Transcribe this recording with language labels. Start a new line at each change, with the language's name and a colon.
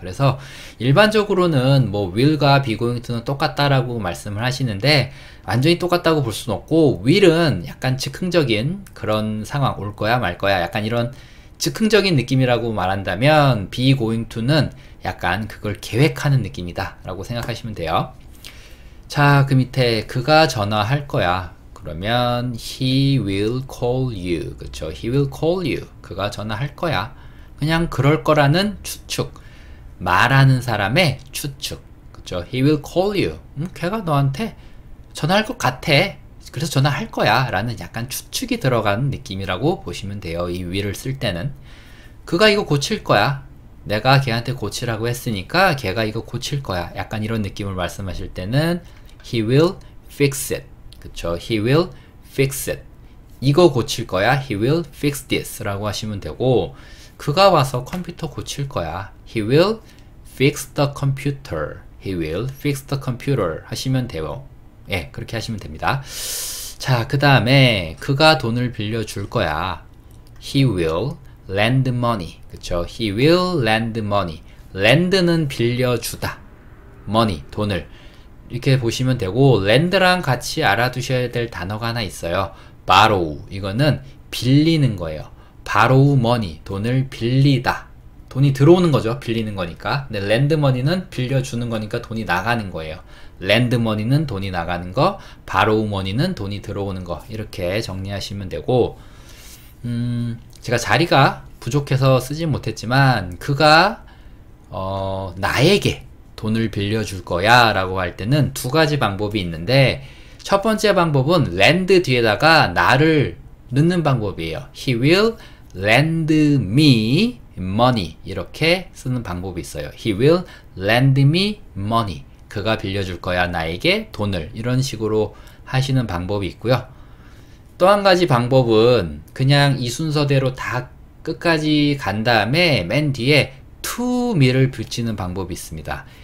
Korean: 그래서 일반적으로는 뭐 will과 be going to는 똑같다라고 말씀을 하시는데 완전히 똑같다고 볼 수는 없고 will은 약간 즉흥적인 그런 상황 올 거야 말 거야 약간 이런 즉흥적인 느낌이라고 말한다면 be going to는 약간 그걸 계획하는 느낌이다라고 생각하시면 돼요. 자, 그 밑에 그가 전화할 거야. 그러면
English: he will call you.
Korean: 그쵸?
English: he will call you.
Korean: 그가 전화할 거야. 그냥 그럴 거라는 추측. 말하는 사람의 추측. 그쵸?
English: he will call you.
Korean: 걔가 너한테 전화할 것 같아. 그래서 전화할 거야. 라는 약간 추측이 들어가는 느낌이라고 보시면 돼요. 이 will을 쓸 때는. 그가 이거 고칠 거야. 내가 걔한테 고치라고 했으니까 걔가 이거 고칠 거야. 약간 이런 느낌을 말씀하실 때는
English: He will fix it. 그쵸? He will fix it.
Korean: 이거 고칠 거야.
English: He will fix this.
Korean: 라고 하시면 되고, 그가 와서 컴퓨터 고칠 거야.
English: He will fix the computer. He will fix the computer.
Korean: 하시면 돼요. 예, 그렇게 하시면 됩니다. 자, 그 다음에 그가 돈을 빌려줄 거야.
English: He will lend money. 그쵸? He will lend money.
Korean: Lend는 빌려주다. Money, 돈을. 이렇게 보시면 되고 lend랑 같이 알아두셔야 될 단어가 하나 있어요. borrow 이거는 빌리는 거예요. borrow money 돈을 빌리다. 돈이 들어오는 거죠. 빌리는 거니까. 근데 lend money는 빌려주는 거니까 돈이 나가는 거예요. lend money는 돈이 나가는 거, borrow money는 돈이 들어오는 거 이렇게 정리하시면 되고 제가 자리가 부족해서 쓰지 못했지만 그가 나에게 돈을 빌려줄 거야 라고 할 때는 두 가지 방법이 있는데 첫 번째 방법은 lend 뒤에다가 나를 넣는 방법이에요.
English: He will lend me money
Korean: 이렇게 쓰는 방법이 있어요.
English: He will lend me money.
Korean: 그가 빌려줄 거야 나에게 돈을 이런 식으로 하시는 방법이 있고요. 또한 가지 방법은 그냥 이 순서대로 다 끝까지 간 다음에 맨 뒤에 to me를 붙이는 방법이 있습니다.